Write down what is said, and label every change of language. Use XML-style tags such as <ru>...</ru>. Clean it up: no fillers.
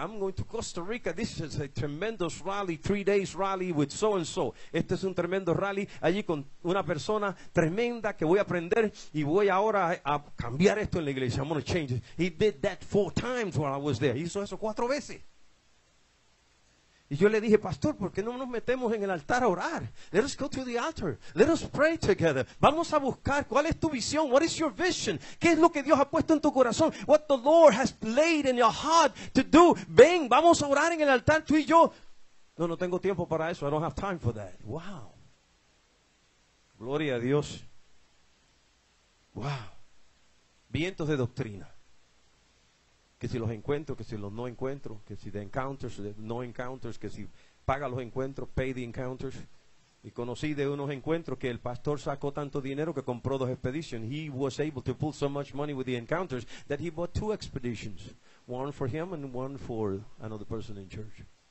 <en>I'm going to Costa Rica. This is a tremendous rally, 3 days rally with so and so.</en> <es>Este es un tremendo rally allí con una persona tremenda que voy a aprender y voy ahora a cambiar esto en la iglesia.</es> <en>I'm going to change it. He did that 4 times while I was there.</en> <es>Hizo eso 4 veces. Y yo le dije, pastor, ¿por qué no nos metemos en el altar a orar?</es> <en>Let us go to the altar. Let us pray together.</en> <es>Vamos a buscar cuál es tu visión.</es> <en>What is your vision?</en> <es>¿Qué es lo que Dios ha puesto en tu corazón?</es> <en>What the Lord has laid in your heart to do.</en> <es>Ven, vamos a orar en el altar tú y yo. No, no tengo tiempo para eso.</es> <en>I don't have time for that. Wow.</en> <es>Gloria a Dios. Wow. Vientos de doctrina. Que si los encuentro, que si los no encuentro, que si</es> <en>the encounters, the no encounters,</en> <es>que si paga los encuentros,</es> <en>pay the encounters.</en> <es>Y conocí de unos encuentros que el pastor sacó tanto dinero que compró 2 expeditions.</es> <en>He was able to pull so much money with the encounters that he bought 2 expeditions. One for him and one for another person in church.</en>